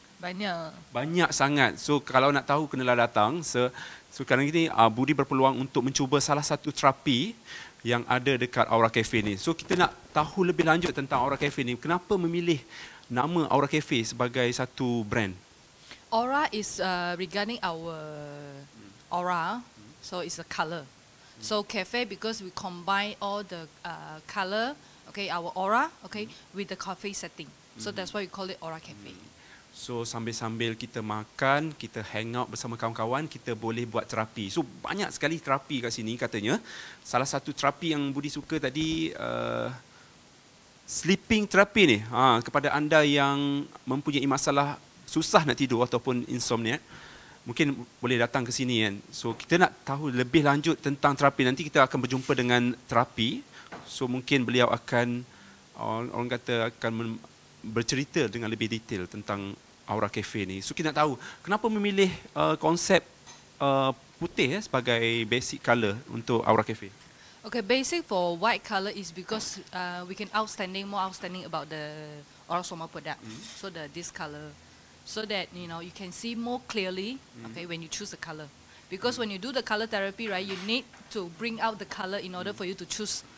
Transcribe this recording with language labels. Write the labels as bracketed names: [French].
[Malay] Banyak. Banyak sangat. So, kalau nak tahu kenalah datang. So, sekarang ini Budi berpeluang untuk mencuba salah satu terapi yang ada dekat Aura Cafe ni. So, kita nak tahu lebih lanjut tentang Aura Cafe ni. Kenapa memilih nama Aura Cafe sebagai satu brand? [English] Aura is regarding our aura, so it's a color. So cafe because we combine all the color, okay, our aura, okay, with the cafe setting. So that's why we call it Aura Cafe. [Malay] So sambil-sambil kita makan, kita hang out bersama kawan-kawan, kita boleh buat terapi. So banyak sekali terapi kat sini katanya. Salah satu terapi yang Budi suka tadi, sleeping therapy ni, kepada anda yang mempunyai masalah susah nak tidur ataupun insomnia, mungkin boleh datang ke sini kan. So kita nak tahu lebih lanjut tentang terapi. Nanti kita akan berjumpa dengan terapi. So mungkin beliau akan, orang kata akan bercerita dengan lebih detail tentang Aura Cafe ni. So kita nak tahu kenapa memilih konsep putih sebagai basic color untuk Aura Cafe. [English] Okay, basic for white color is because we can more outstanding about the Aura Soma product. Mm-hmm. So the this color, so that you know you can see more clearly. Mm-hmm. Okay, when you choose the color, because mm-hmm. when you do the color therapy, right, you need to bring out the color in order mm-hmm. for you to choose.